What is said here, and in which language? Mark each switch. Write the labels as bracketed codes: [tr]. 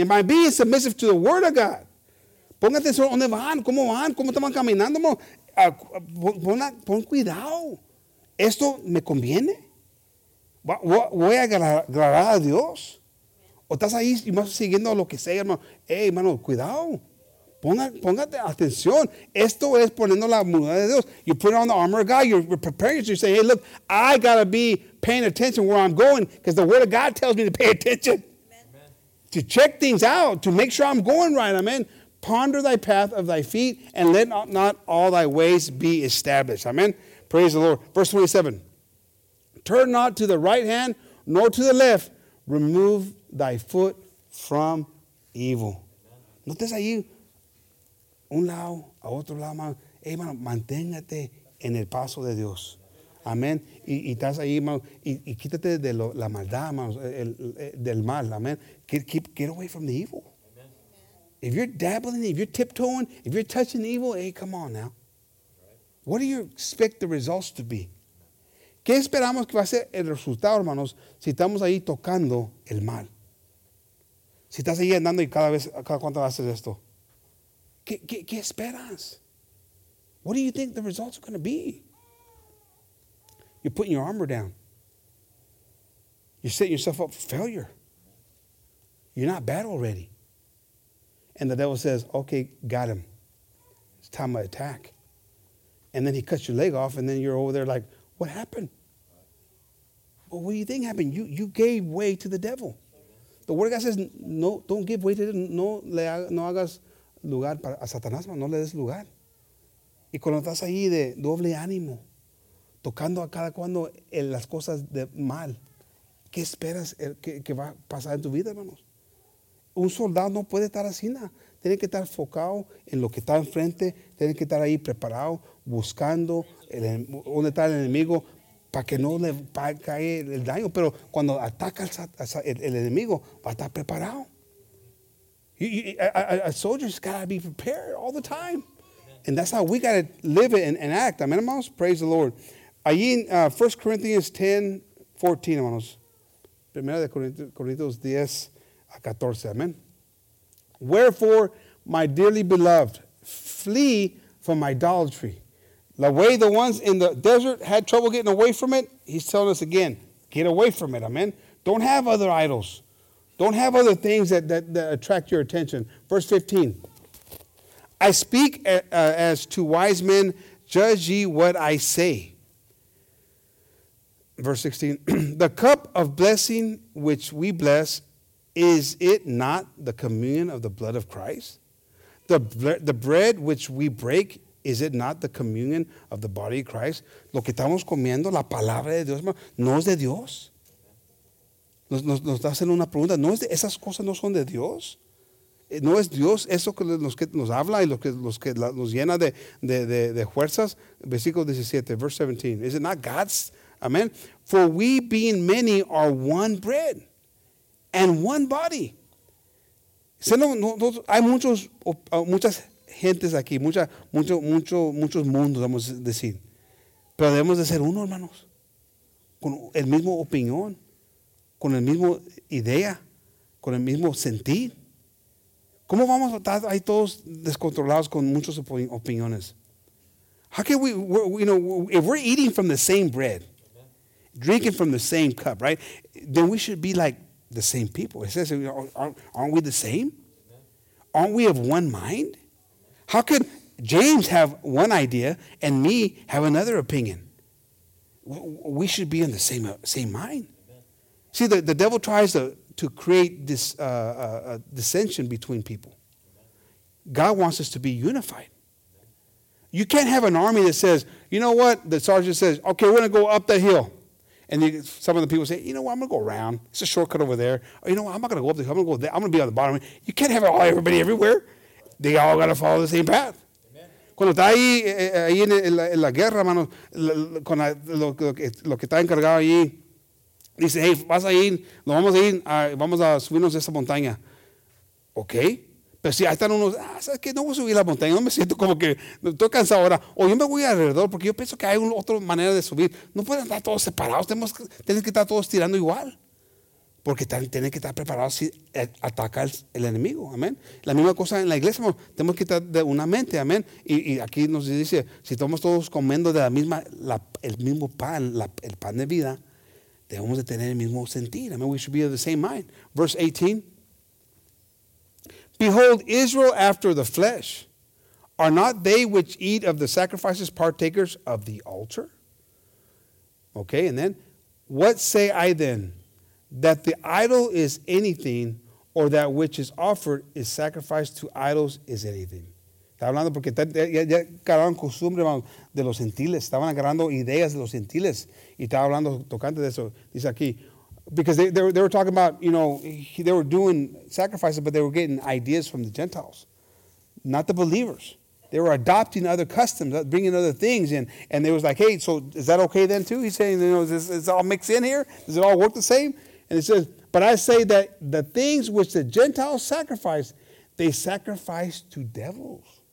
[en] Am I being submissive to the word of God? [es] Ponga atención dónde van, cómo van, cómo están caminando. Pon cuidado. ¿Esto me conviene? ¿Voy a agradar a Dios? ¿O estás ahí y más siguiendo lo que sea, hermano? Hey, hermano, cuidado. Póngate atención. Esto es poniendo la armadura de Dios. [en] You put on the armor of God. You're preparing. You say, hey, look, I got to be paying attention where I'm going because the word of God tells me to pay attention. Amen. To check things out, to make sure I'm going right. Amen. Ponder thy path of thy feet, and let not all thy ways be established. Amen. Praise the Lord. Verse 27. Turn not to the right hand, nor to the left. Remove thy foot from evil. [es] No estés ahí, un lado, a otro lado. Hey, hermano, manténgate en el paso de Dios. Amén. Y estás ahí, hermano, y quítate de la maldad, hermano, del mal. [en] Amén. Get away from the evil. If you're dabbling, if you're tiptoeing, if you're touching evil, hey, come on now. What do you expect the results to be? [es] ¿Qué esperamos que va a ser el resultado, hermanos, si estamos ahí tocando el mal? Si estás ahí andando y cada cuánto haces esto. ¿Qué esperas? [en] What do you think the results are going to be? You're putting your armor down. You're setting yourself up for failure. You're not bad already. And the devil says, okay, got him. It's time to attack. And then he cuts your leg off, and then you're over there like, what happened? Well, what do you think happened? You gave way to the devil. The word of God says, no, don't give way to the devil. [es] No hagas lugar para Satanás, no le des lugar. Y cuando estás ahí de doble ánimo, tocando a cada cuando en las cosas de mal, ¿qué esperas que va a pasar en tu vida, hermanos? Un soldado no puede estar así, nada. Tiene que estar enfocado en lo que está enfrente. Tiene que estar ahí preparado, buscando dónde está el enemigo para que no le caiga el daño. Pero cuando ataca el enemigo, va a estar preparado. [en] A soldier's got to be prepared all the time. And that's how we got to live it and act. Amen, hermanos. Praise the Lord. [es] Allí en [en] 1 Corinthians 10:14, hermanos. [es] Primera de Corintios 10. 14, amen. [en] Wherefore, my dearly beloved, flee from idolatry. The way the ones in the desert had trouble getting away from it, he's telling us again, get away from it, amen. Don't have other idols. Don't have other things that attract your attention. Verse 15. I speak as to wise men, judge ye what I say. Verse 16. The cup of blessing which we bless, is it not the communion of the blood of Christ? The bread which we break, Is it not the communion of the body of Christ? [es] Lo que estamos comiendo, la palabra de Dios, ¿no es de Dios? Nos hacen una pregunta, ¿no es de, esas cosas no son de Dios? ¿No es Dios eso que nos habla y los que nos llena de fuerzas? [en] Versículo 17, verse 17. Is it not God's? Amen. For we being many are one bread and one body. [es] Hay muchas gentes aquí, muchos mundos, vamos a decir. Pero debemos de ser uno, hermanos. Con el mismo opinión, con el mismo idea, con el mismo sentir. ¿Cómo vamos a estar ahí todos descontrolados con muchas opiniones? [en] How can if we're eating from the same bread, drinking from the same cup, right? Then we should be like the same people. It says, aren't we the same? Aren't we of one mind? How could James have one idea and me have another opinion? We should be in the same mind. See, the devil tries to create this dissension between people. God wants us to be unified. You can't have an army that says, you know what? The sergeant says, okay, we're going to go up the hill. And some of the people say, you know what? I'm going to go around. It's a shortcut over there. Or, you know what? I'm not going to go up the hill. I'm going to go there. I'm going to be on the bottom. You can't have everybody everywhere. They all got to follow the same path. [es] Cuando está ahí en la guerra, hermano, con lo que está encargado ahí, dice, hey, vas a ir, nos vamos a ir, vamos a subirnos esa montaña. Ok. Pero si ahí están unos, ¿sabes qué? No voy a subir la montaña, no me siento como que estoy cansado ahora. O yo me voy alrededor porque yo pienso que hay otra manera de subir. No pueden estar todos separados, tienen que estar todos tirando igual. Porque tienen que estar preparados si ataca el enemigo, amén. La misma cosa en la iglesia, tenemos que estar de una mente, amén. Y aquí nos dice, si estamos todos comiendo de el pan de vida, debemos de tener el mismo sentir. [en] Amén. We should be of the same mind. Verse 18. Behold, Israel after the flesh. Are not they which eat of the sacrifices partakers of the altar? Okay, and then, what say I then? That the idol is anything, or that which is offered is sacrificed to idols is anything. [es] Está hablando porque ya agarraron costumbre de los gentiles. Estaban agarrando ideas de los gentiles. Y estaba hablando tocante de eso. Dice aquí. [en] Because they were talking about, you know, they were doing sacrifices, but they were getting ideas from the Gentiles, not the believers. They were adopting other customs, bringing other things in. And they was like, hey, so is that okay then too? He's saying, you know, is this all mixed in here? Does it all work the same? And he says, but I say that the things which the Gentiles sacrifice, they sacrifice to devils.